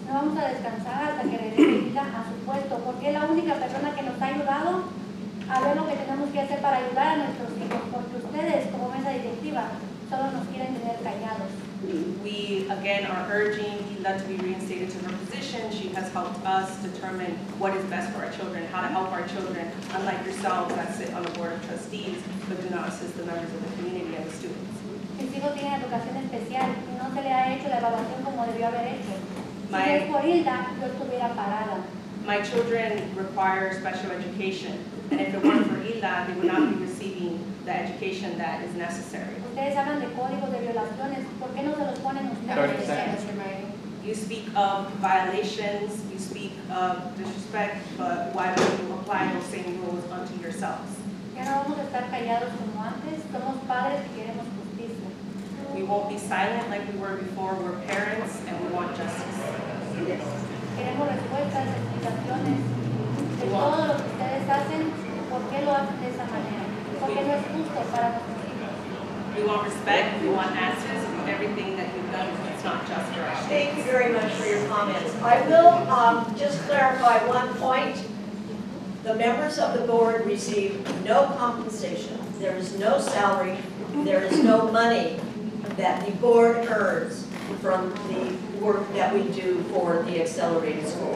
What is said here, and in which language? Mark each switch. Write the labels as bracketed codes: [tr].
[es] No vamos a descansar hasta que regresen a su puesto, porque es la única persona que nos ha ayudado a ver lo que tenemos que hacer para ayudar a nuestros hijos, porque ustedes como mesa directiva solo nos quieren tener callados. [en] We again are urging Hilda to be reinstated to her position. She has helped us determine what is best for our children, how to help our children, unlike yourselves that sit on the board of trustees but do not assist the members of the community and the students. [es] Mis hijos tienen educación especial y no se le ha hecho la evaluación como debió haber hecho. Si es por Hilda, yo estuviera parada. [en] My children require special education, and if it weren't for Hilda, they would not be receiving the education that is necessary. [es] Ustedes hablan de códigos de violaciones, ¿por qué no se los ponen ustedes? [en] You speak of violations, you speak of disrespect, but why don't you apply those same rules unto yourselves? [es] Ya no vamos a estar callados como antes, somos padres y queremos justicia. [en] We won't be silent like we were before, we're parents and we want justice. [es] Queremos respuestas, explicaciones de todo lo que ustedes hacen, ¿por qué lo hacen de esa manera? Porque no es justo para nosotros. [en] We want respect, we want answers to everything that you've done, so it's not just for us. Thank you very much for your comments. I will just clarify one point. The members of the board receive no compensation. There is no salary. There is no money that the board earns from the work that we do for the accelerated school.